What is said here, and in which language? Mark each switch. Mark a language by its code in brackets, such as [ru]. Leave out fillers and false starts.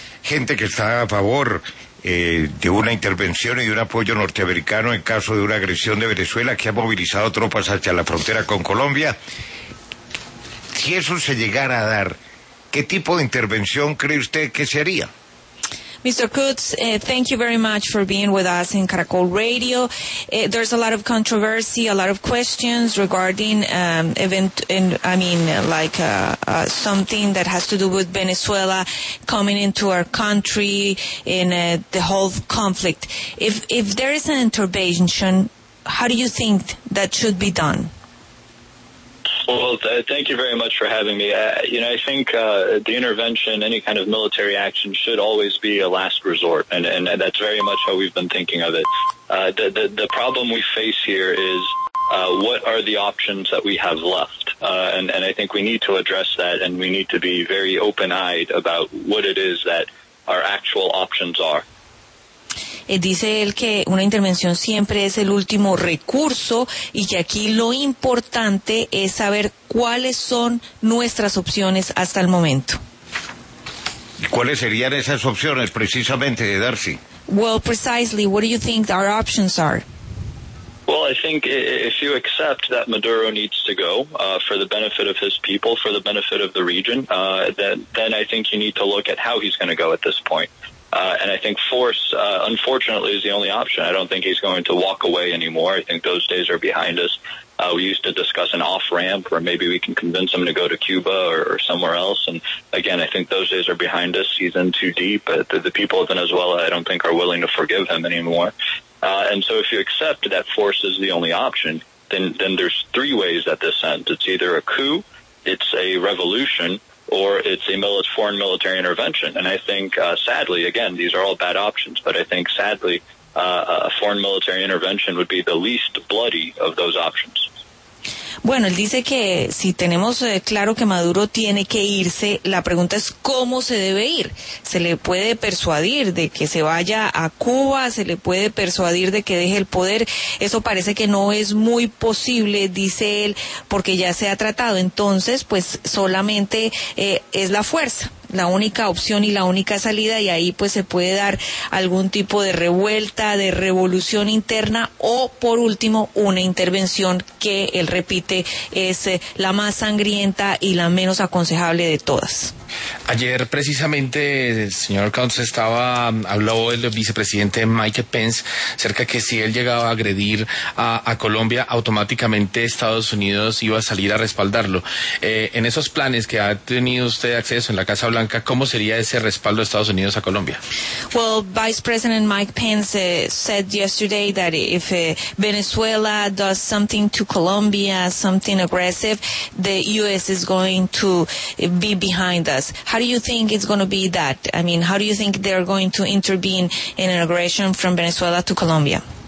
[es] Gente que está a favor de una intervención y de un apoyo norteamericano en caso de una agresión de Venezuela, que ha movilizado tropas hacia la frontera con Colombia. Si eso se llegara a dar, ¿qué tipo de intervención cree usted que se haría? [en] Mr. Kutz, thank you very much for being with us in Caracol Radio. There's a lot of controversy, a lot of questions regarding something that has to do with Venezuela coming into our country in the whole conflict. If there is an intervention, how do you think that should be done? Well, thank you very much for having me. I think the intervention, any kind of military action, should always be a last resort, and that's very much how we've been thinking of it. The problem we face here is what are the options that we have left? And I think we need to address that, and we need to be very open-eyed about what it is that our actual options are. [es] Dice él que una intervención siempre es el último recurso y que aquí lo importante es saber cuáles son nuestras opciones hasta el momento. ¿Y cuáles serían esas opciones precisamente, de Darcy? [en] Well, precisely, what do you think our options are? Well, I think if you accept that Maduro needs to go for the benefit of his people, for the benefit of the region, then I think you need to look at how he's going to go at this point. And I think force, unfortunately, is the only option. I don't think he's going to walk away anymore. I think those days are behind us. We used to discuss an off-ramp where maybe we can convince him to go to Cuba or somewhere else. And again, I think those days are behind us. He's in too deep. The people of Venezuela, I don't think, are willing to forgive him anymore. And so if you accept that force is the only option, then there's three ways that this ends. It's either a coup, it's a revolution, or it's a foreign military intervention. And I think, sadly, again, these are all bad options, but I think, sadly, a foreign military intervention would be the least bloody of those options. [es] Bueno, él dice que si tenemos claro que Maduro tiene que irse, la pregunta es cómo se debe ir. ¿Se le puede persuadir de que se vaya a Cuba? ¿Se le puede persuadir de que deje el poder? Eso parece que no es muy posible, dice él, porque ya se ha tratado. Entonces, pues solamente es la fuerza, la única opción y la única salida, y ahí pues se puede dar algún tipo de revuelta, de revolución interna, o por último una intervención que él repite es la más sangrienta y la menos aconsejable de todas. Ayer precisamente el señor Counts habló el vicepresidente Mike Pence acerca que si él llegaba a agredir a Colombia, automáticamente Estados Unidos iba a salir a respaldarlo. En esos planes que ha tenido usted acceso en la Casa Blanca, ¿cómo sería ese respaldo de Estados Unidos a Colombia? [en] Well, Vice President Mike Pence said yesterday that if Venezuela does something to Colombia, something aggressive, the U.S. is going to be behind us. How do you think it's going to be that? I mean, how do you think they're going to intervene in an aggression from Venezuela to Colombia?